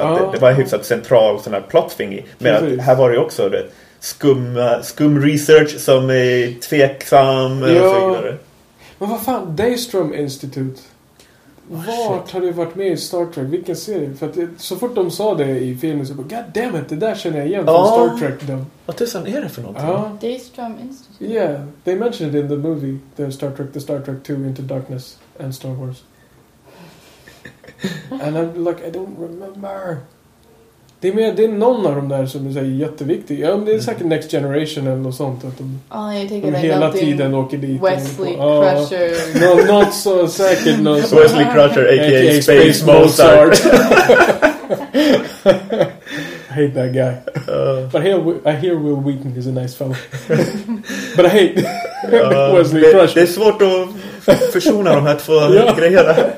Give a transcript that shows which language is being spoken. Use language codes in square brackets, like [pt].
[sv] Att det var en hyfsat central sån här plot-thing. Men att här var det också, du vet, skum research som är tveksam och så vidare. Men vad fan, Daystrom Institute... Vart har du varit med i Star Trek? Vilken serie? För att så fort de sa det i filmen så bara, [en] god damn it, [sv] det där känner jag igen från Star Trek. Då. Vad tusan är det för någonting? Ja. Daystrom Institute. [en] Yeah, they mentioned it in the movie, the Star Trek 2 Into Darkness and Star Wars. And I'm like, I don't remember. [sv] Det är någon av dem där som är såhär jätteviktig. Ja, men det är säkert Next Generation eller något sånt. Att de hela tiden åker dit. [en] Wesley Crusher. No, not so [sv] säkert. [en] No, so. Wesley Crusher, a.k.a. Space Mozart. I hate that guy. But I hear Will Wheaton is a nice fellow. But I hate Wesley Crusher. [sv] Det är svårt att försona de här två grejerna.